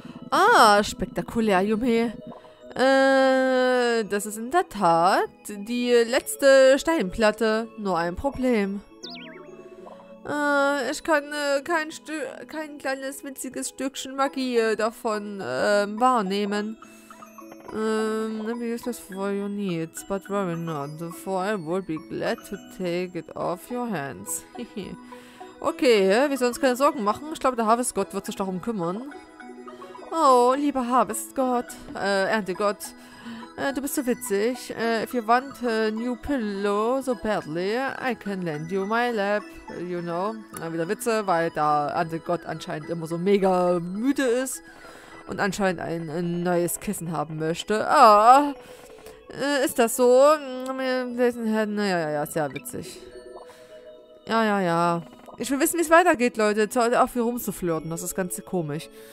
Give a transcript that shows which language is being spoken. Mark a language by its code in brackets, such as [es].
[de] Ah, spektakulär, Junge. Das ist in der Tat die letzte Steinplatte. Nur ein Problem. Ich kann kein kleines winziges Stückchen Magie davon wahrnehmen. [en] Maybe useless for your needs, but worry not, for I will be glad to take it off your hands. [de] Okay, wir sollen uns keine Sorgen machen. Ich glaube, der Harvestgott wird sich darum kümmern. Oh, lieber Harvestgott, Erntegott, du bist so witzig. [en] If you want a new pillow so badly, I can lend you my lap, you know. [de] Wieder Witze, weil der Erntegott anscheinend immer so mega müde ist und anscheinend ein neues Kissen haben möchte. Ah, Ist das so? Naja, ja, ja, sehr witzig. Ja, ja, ja. Ich will wissen, wie es weitergeht, Leute. Auch hier rumzuflirten. Das ist ganz komisch.